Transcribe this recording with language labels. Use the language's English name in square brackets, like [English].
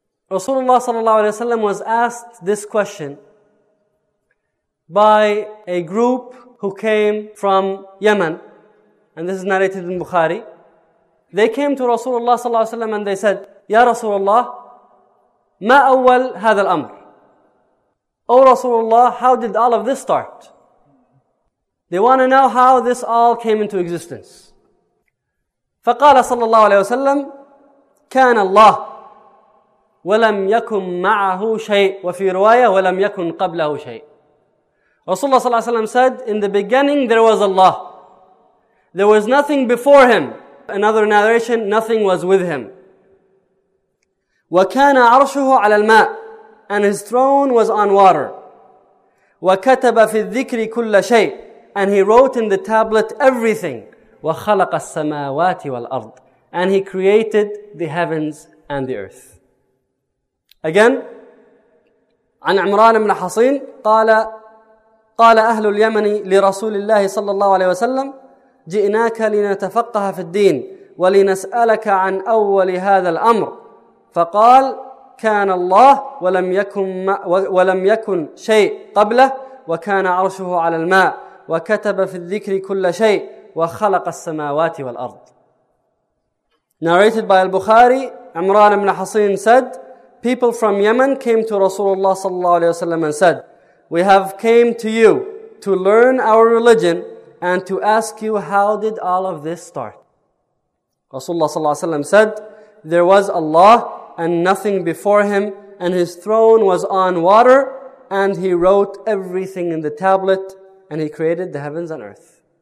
[English] Rasulullah sallallahu alaihi wasallam was asked this question by a group who came from Yemen, and this is narrated in Bukhari. They came to Rasulullah sallallahu alaihi wasallam and they said, Ya Rasulullah, [Arabic] ما أول هذا الأمر؟ [English] Oh Rasulullah, how did all of this start? They want to know how this all came into existence. [Arabic] فقال صلى الله عليه وسلم كان الله ولم يكن معه شيء وفي رواية ولم يكن قبله شيء. [English] Rasulullah [Arabic] صلى الله عليه وسلم [English] said, in the beginning there was Allah. There was nothing before him. Another narration, nothing was with him. [Arabic] وكان عرشه على الماء. [English] And his throne was on water. [Arabic] وكتب في الذكر كل شيء. [English] And he wrote in the tablet everything. [Arabic] وخلق السماوات والأرض. [English] And he created the heavens and the earth. [Arabic] Again, عن عمران بن حصين قال أهل اليمن لرسول الله صلى الله عليه وسلم جئناك لنتفقه في الدين ولنسألك عن أول هذا الأمر فقال كان الله ولم يكن شيء قبله وكان عرشه على الماء وكتب في الذكر كل شيء وخلق السماوات والأرض. [English] Narrated by Al-Bukhari, Imran ibn Hasin said, people from Yemen came to Rasulullah sallallahu alayhi wa sallam and said, we have came to you to learn our religion and to ask you, how did all of this start? Rasulullah sallallahu alayhi wa sallam said, there was Allah and nothing before him, and his throne was on water, and he wrote everything in the tablet, and he created the heavens and earth.